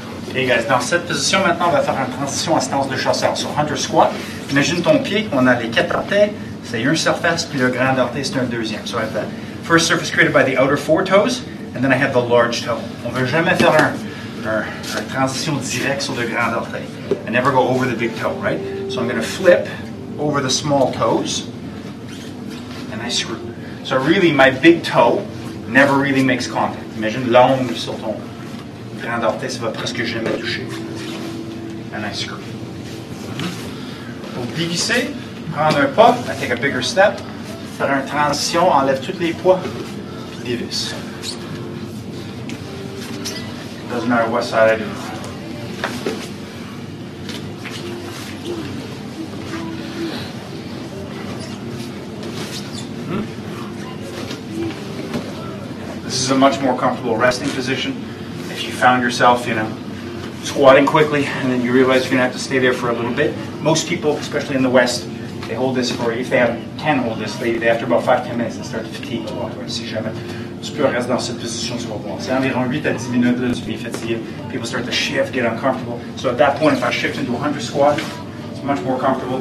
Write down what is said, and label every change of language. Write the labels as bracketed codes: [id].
[en] Okay. [fr] Hey guys, dans cette position maintenant, on va faire une transition en stance de chasseur. [en] So hunter squat. [fr] Imagine ton pied, on a les quatre orteils, c'est une surface, puis le grand orteil, c'est un deuxième. [en] So I have that. First surface created by the outer four toes, and then I have the large toe. [fr] On ne veut jamais faire un transition direct sur le grand orteil. [en] I never go over the big toe, right? So I'm going to flip over the small toes. and I screw. So really, my big toe never really makes contact. [fr] Imagine l'ombre sur ton grand orteil, ça va presque jamais toucher. [en] And I screw. [fr] Pour dévisser, prendre un pas, [en] I take a bigger step, [fr] faire une transition, enlève tous les poids, puis dévisse. [en] Doesn't matter what side I do. This is a much more comfortable resting position. If you found yourself, you know, squatting quickly and then you realize you're gonna have to stay there for a little bit. Most people, especially in the West, they hold this for, if they have, can hold this, they after about 5-10 minutes, they start to fatigue a lot. [fr] Si jamais tu peux rester dans cette position, tu vas voir. C'est environ 8 à 10 minutes, tu vas fatiguer. [en] People start to shift, get uncomfortable. So at that point, if I shift into 100 squat, it's much more comfortable.